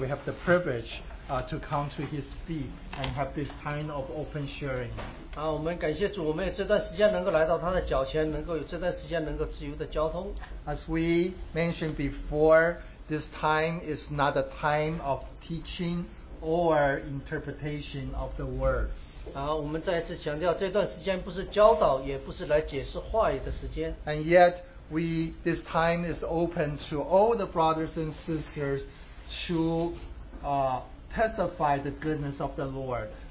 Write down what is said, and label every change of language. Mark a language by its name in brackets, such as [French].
[English] We have the privilege to come to His feet and have this time of open sharing. [Chinese] 我们感谢主, 我们这段时间能够来到他的脚前, 能够有这段时间能够自由的交通。 [English] As we mentioned before, this time is not a time of teaching or interpretation of the words. [Chinese] 我们再一次强调, 这段时间不是教导, 也不是来解释话语的时间。 [English] And yet, this time is open to all the brothers and sisters to testify the goodness of the Lord.